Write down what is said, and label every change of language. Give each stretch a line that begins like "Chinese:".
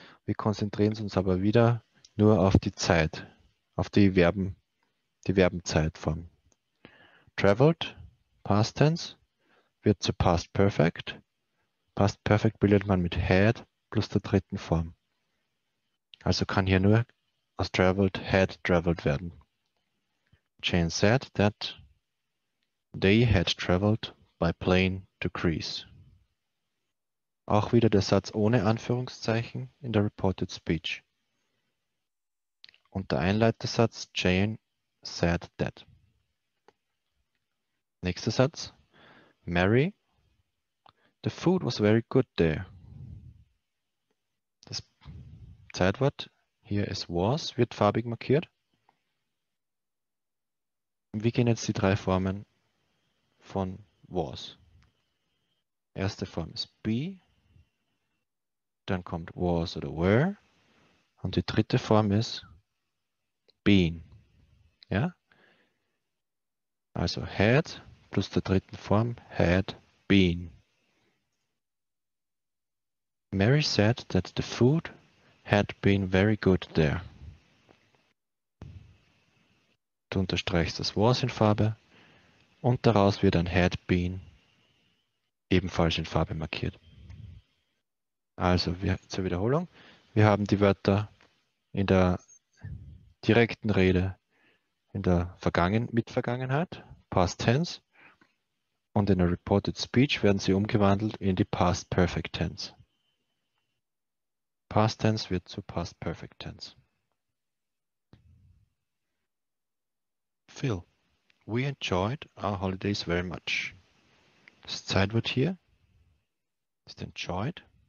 German: Wir konzentrieren uns aber wieder nur auf die Zeit, auf die Verbenzeitform. Traveled, Past Tense, wird zu Past Perfect. Past Perfect bildet man mit had plus der dritten Form. Also kann hier nur aus traveled had traveled werden.
English: Jane said that they had traveled by plane to Greece.
German: Auch wieder der Satz ohne Anführungszeichen in der Reported Speech. Und der Einleitersatz
English: Jane said that.
German: Nächster Satz.
English: Mary, the food was very good there.
German: Das Zeitwort hier ist was, wird farbig markiert. Wie gehen jetzt die drei Formen von was? Erste Form ist be, dann kommt was oder were und die dritte Form ist been. Ja? Also had plus der dritten Form had been.
English: Mary said that the food had been very good there.
German: Du unterstreichst das was in Farbe und daraus wird ein had been ebenfalls in Farbe markiert. Also zur Wiederholung, wir haben die Wörter in der direkten Rede in der mit Vergangenheit, Past Tense, und in der Reported Speech werden sie umgewandelt in die Past Perfect Tense. Past Tense wird zu Past Perfect Tense.
English: Phil, we enjoyed our holidays very much.
German: Das Zeitwort hier ist enjoyed.